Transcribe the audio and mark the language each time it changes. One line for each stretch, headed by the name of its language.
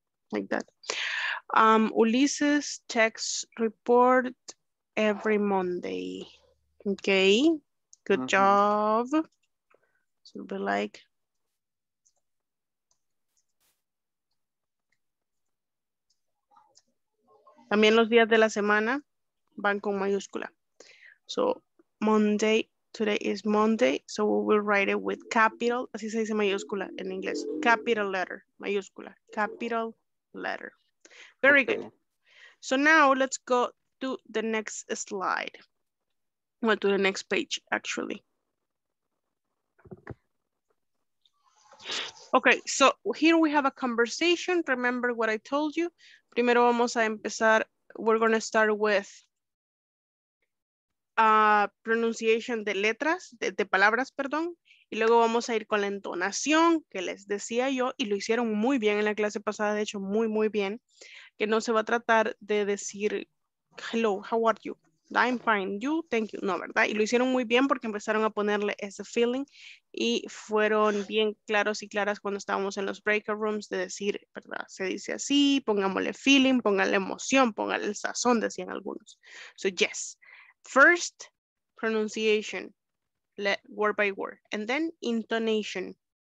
English: Like that. Ulises checks report every Monday. Okay. Good job. So it'll be like.
Spanish: También los días de la semana van con mayúscula.
English: So Monday. Today is Monday, so we will write it with capital.
Spanish: Así se dice mayúscula en inglés.
English: Capital letter.
Spanish: Mayúscula.
English: Capital letter. Very good. So now let's go to the next slide. Well, to the next page, actually. Okay, so here we have a conversation. Remember what I told you.
Spanish: Primero vamos a empezar.
English: We're going to start with pronunciation
Spanish: de letras, de palabras, perdón, y luego vamos a ir con la entonación que les decía yo, y lo hicieron muy bien en la clase pasada, de hecho, muy, muy bien, que no se va a tratar de decir,
English: hello, how are you? I'm fine, you, thank you,
Spanish: no, ¿verdad? Y lo hicieron muy bien porque empezaron a ponerle ese feeling y fueron bien claros y claras cuando estábamos en los breakout rooms de decir, ¿verdad? Se dice así, pongámosle feeling, pongámosle emoción, pongámosle el sazón, decían algunos.
English: So, yes. First, pronunciation, word by word, and then intonation.